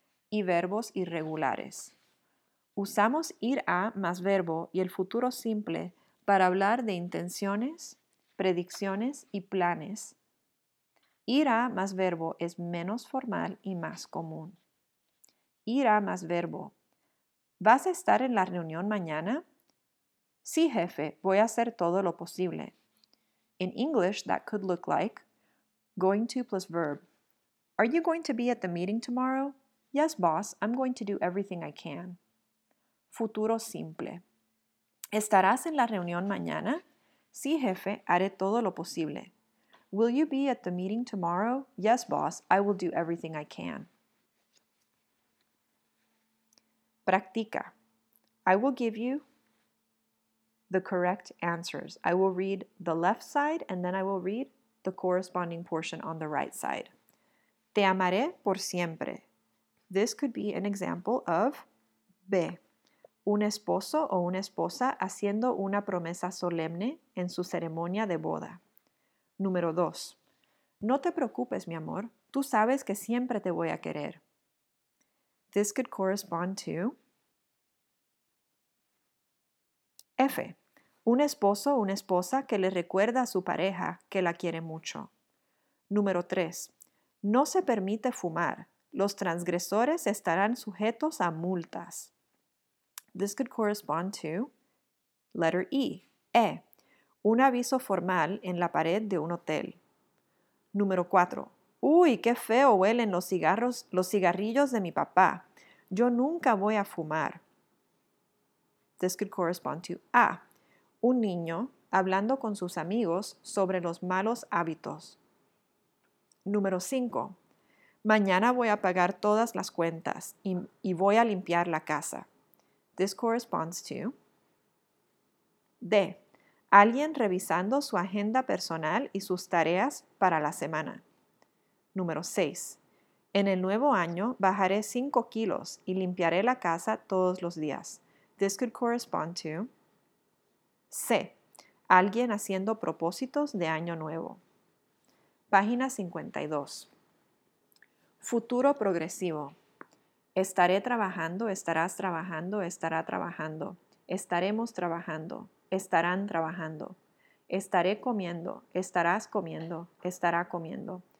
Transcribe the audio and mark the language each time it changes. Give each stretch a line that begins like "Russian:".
Spanish: Y verbos irregulares. Usamos ir a más verbo y el futuro simple para hablar de intenciones, predicciones y planes. Ir a más verbo es menos formal y más común. Ir a más verbo. ¿Vas a estar en la reunión mañana? Sí, jefe, voy a hacer todo lo posible.
English: In English, that could look like going to plus verb. Are you going to be at the meeting tomorrow? Yes, boss, I'm going to do everything I can.
Spanish: Futuro simple. ¿Estarás en la reunión mañana? Sí, jefe, haré todo lo posible.
English: Will you be at the meeting tomorrow? Yes, boss, I will do everything I can. Practica. I will give you the correct answers. I will read the left side and then I will read the corresponding portion on the right side.
Spanish: Te amaré por siempre.
English: This could be an example of B.
Spanish: Un esposo o una esposa haciendo una promesa solemne en su ceremonia de boda. Número 2. No te preocupes, mi amor. Tú sabes que siempre te voy a querer.
English: This could correspond to F.
Spanish: Un esposo o una esposa que le recuerda a su pareja que la quiere mucho. Número 3. No se permite fumar. Los transgresores estarán sujetos a multas.
English: This could correspond to letter E.
Spanish: E. Un aviso formal en la pared de un hotel. Número 4. ¡Uy, qué feo huelen los cigarrillos de mi papá! Yo nunca voy a fumar.
English: This could correspond to A.
Spanish: Un niño hablando con sus amigos sobre los malos hábitos. Número 5. Mañana voy a pagar todas las cuentas y voy a limpiar la casa.
English: This corresponds to D.
Spanish: Alguien revisando su agenda personal y sus tareas para la semana. Número 6. En el nuevo año bajaré 5 kilos y limpiaré la casa todos los días.
English: This could correspond to C.
Spanish: Alguien haciendo propósitos de año nuevo. Página 52. Futuro progresivo. Estaré trabajando, estarás trabajando, estará trabajando. Estaremos trabajando, estarán trabajando. Estaré comiendo, estarás comiendo, estará comiendo.